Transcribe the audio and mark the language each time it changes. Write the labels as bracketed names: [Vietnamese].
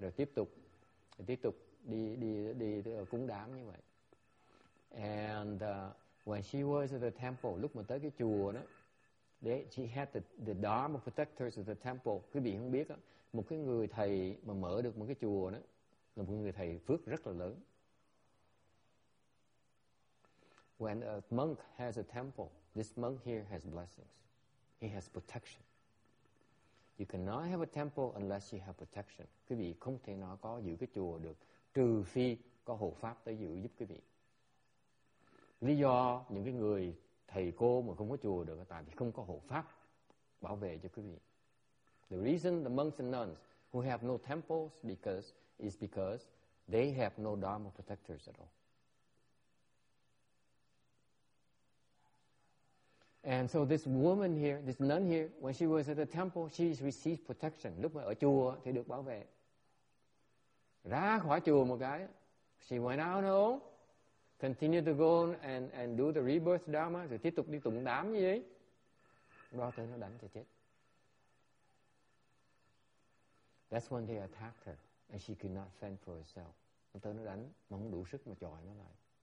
[Vietnamese] Rồi tiếp tục đi cúng đám như vậy. [English] And when she was at the temple, [Vietnamese] lúc mà tới cái chùa đó, [English] she had the dharma protectors of the temple. [Vietnamese] Quý vị không biết đó, một cái người thầy mà mở được một cái chùa đó là một người thầy phước rất là lớn. [English] When a monk has a temple, this monk here has blessings. He has protection. You cannot have a temple unless you have protection. [Vietnamese] Quý vị không thể nào có giữ cái chùa được trừ phi có hộ pháp tới giữ giúp quý vị. Lý do những cái người thầy cô mà không có chùa được tại vì không có hộ pháp bảo vệ cho quý vị. [English] The reason the monks and nuns who have no temples because they have no dharma protectors at all. And so this woman here, this nun here, when she was at the temple, she received protection. [Vietnamese] Lúc mà ở chùa thì được bảo vệ. Ra khỏi chùa một cái, [English] she went out on her own, continued to go and do the rebirth dharma, [Vietnamese] rồi tiếp tục đi tụng đám như vậy. Đó tới nó đánh cho chết. [English] That's when they attacked her, and she could not fend for herself. [Vietnamese] Đó tới nó đánh, mà không đủ sức mà chọi nó lại.